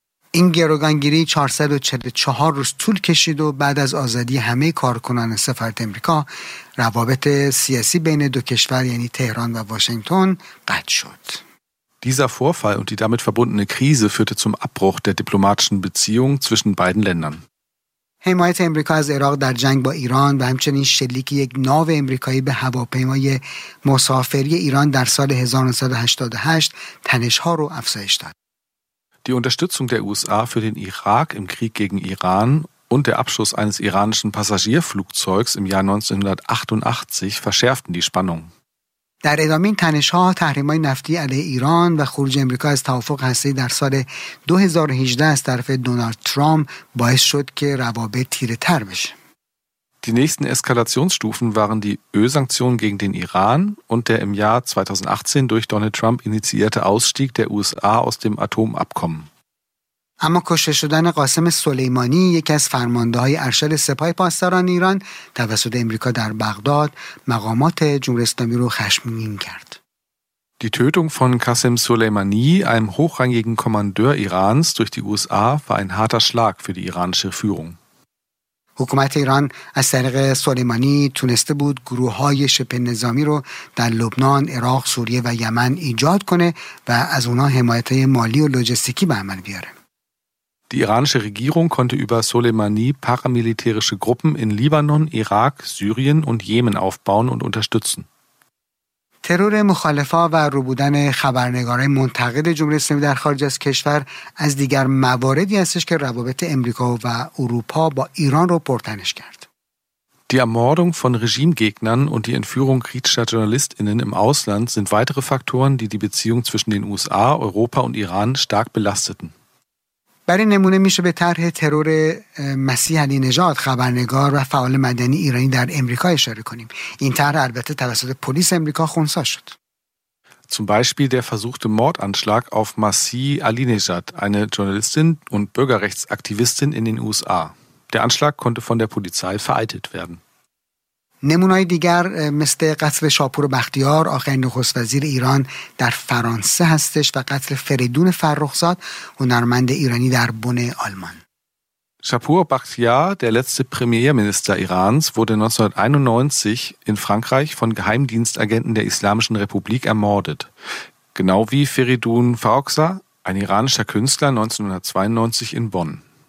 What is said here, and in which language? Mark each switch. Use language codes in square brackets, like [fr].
[fa] این گروگانگیری 444 روز طول کشید و بعد از آزادی همه کارکنان سفارت امریکا روابط سیاسی بین دو کشور یعنی تهران و واشنگتن قطع شد. [de] Dieser Vorfall und die damit verbundene Krise führte zum Abbruch der diplomatischen Beziehungen zwischen beiden Ländern. [fa] حمایت امریکا از عراق در جنگ با ایران و همچنین شلیک یک ناو امریکایی به هواپیمای مسافری ایران در سال 1988 تنش‌ها رو افزایش داد. [de] Die Unterstützung der USA für den Irak im Krieg gegen Iran und der Abschuss eines iranischen Passagierflugzeugs im Jahr 1988 verschärften die Spannung. [fa] در ادامه این تنش‌ها تحریم‌های نفتی علیه ایران و خروج امریکا از توافق هسته‌ای در سال 2018 از طرف دونالد ترامپ باعث شد که روابط تیره‌تر بشه. [de] Die nächsten Eskalationsstufen waren die Ölsanktionen gegen den Iran und der im Jahr 2018 durch Donald Trump initiierte Ausstieg der USA aus dem Atomabkommen. [fa] اما کشته شدن قاسم سلیمانی یکی از فرمانده‌های ارشد سپاه پاسداران ایران توسط امریکا در بغداد مقامات جمهوری اسلامی را خشمگین کرد. [de] Die Tötung von Qasem Soleimani, einem hochrangigen Kommandeur Irans durch die USA, war ein harter Schlag für die iranische Führung. [fa] حکومت ایران از طریق سلیمانی تونسته بود گروه‌های شبه نظامی رو در لبنان، عراق، سوریه و یمن ایجاد کنه و از اونها حمایت مالی و لوجستیکی به عمل بیاره. [de] Die iranische Regierung konnte über Soleimani paramilitärische Gruppen in Libanon, Irak, Syrien und Jemen aufbauen und unterstützen. [fa] ترور مخالفان و رو بودن خبرنگاران منتقد جمهوری اسلامی در خارج از کشور از دیگر مواردی هستش که روابط امریکا و اروپا با ایران رو پرتنش کرد. [de] Die Ermordung von Regimegegnern und die Entführung kritischer Journalistinnen im Ausland sind weitere Faktoren, die die Beziehung zwischen den USA, Europa und Iran stark belasteten. [fa] برای نمونه میشه به طرح ترور مسیح علی نژاد خبرنگار و فعال مدنی ایرانی در امریکا اشاره کنیم. این طرح البته توسط پلیس امریکا خونسا شد. [de] Zum Beispiel der versuchte Mordanschlag auf Masih Alinejad, eine Journalistin und Bürgerrechtsaktivistin in den USA. Der Anschlag konnte von der Polizei vereitelt werden. [fa] نمونه‌های دیگر مثل قتل شاپور بختیار آخرین نخست وزیر ایران در فرانسه هستش و قتل فریدون فرخزاد هنرمند ایرانی در بن آلمان. [de] شاپور بختیار، der letzte Premierminister Irans, wurde 1991 in Frankreich von Geheimdienstagenten der Islamischen Republik ermordet. Genau wie Feridun Farrokhzad, ein iranischer Künstler 1992 in Bonn.